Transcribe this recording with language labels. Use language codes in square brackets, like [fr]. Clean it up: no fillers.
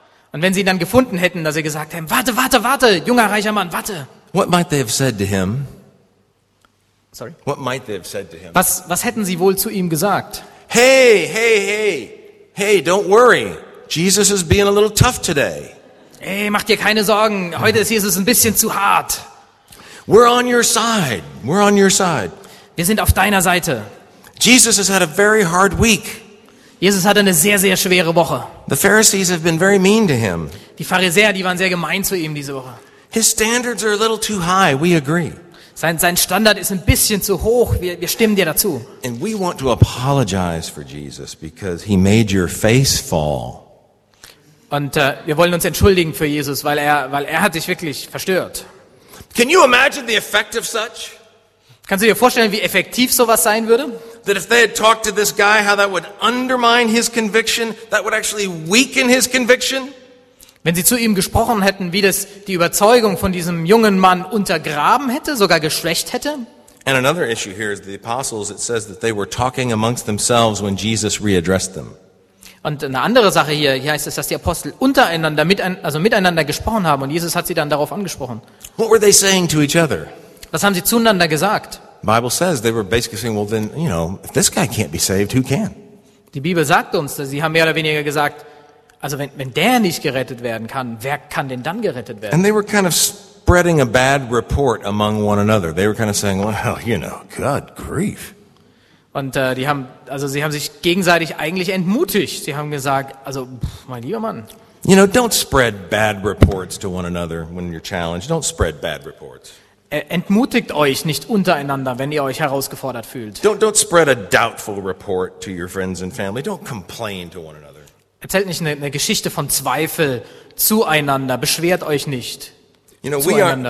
[de] Und wenn sie ihn dann gefunden hätten, dass sie gesagt hätten, warte, junger reicher Mann, warte. [en] What might they have said to him? Sorry. What might they have said to him? [de] Was hätten sie wohl zu ihm gesagt? [en] Hey, don't worry. Jesus is being a little tough today. [de] Hey, mach dir keine Sorgen. Heute ist Jesus ein bisschen zu hart. [en] We're on your side. We're on your side. [de] Wir sind auf deiner Seite. [en] Jesus has had a very hard week. [de] Jesus hatte eine sehr, sehr schwere Woche. [en] The Pharisees have been very mean to him. [de] Die Pharisäer, die waren sehr gemein zu ihm diese Woche. [en] His standards are a little too high. We agree. [de] Sein Standard ist ein bisschen zu hoch. Wir stimmen dir dazu. [en] And we want to apologize for Jesus because he made your face fall. [de] Und wir wollen uns entschuldigen für Jesus, weil er hat dich wirklich verstört. [en] Can you imagine the effect of such? [de] Kannst du dir vorstellen, wie effektiv sowas sein würde? [en] That if they had talked to this guy, how that would undermine his conviction, that would actually weaken his conviction. [de] Wenn sie zu ihm gesprochen hätten, wie das die Überzeugung von diesem jungen Mann untergraben hätte, sogar geschwächt hätte. [en] And another issue here is the apostles, it says that they were talking amongst themselves when Jesus readdressed them. [de] Und eine andere Sache hier heißt es, dass die Apostel untereinander, miteinander gesprochen haben und Jesus hat sie dann darauf angesprochen. [en] What were they saying to each other? [de] Was haben sie zueinander gesagt? [en] The Bible says they were basically saying, well then, you know, if this guy can't be saved, who can? [de] Die Bibel sagt uns, dass sie haben mehr oder weniger gesagt, also wenn der nicht gerettet werden kann, wer kann denn dann gerettet werden? [en] And they were kind of spreading a bad report among one another. They were kind of saying, well, you know, good grief. [de] Und sie haben sich gegenseitig eigentlich entmutigt. Sie haben gesagt, also mein lieber Mann. [en] You know, don't spread bad reports to one another when you're challenged. Don't spread bad reports. [de] Entmutigt euch nicht untereinander, wenn ihr euch herausgefordert fühlt. [en] Don't spread a doubtful report to your friends and family. Don't complain to one another. [de] Erzählt nicht eine Geschichte von Zweifel zueinander. Beschwert euch nicht zueinander.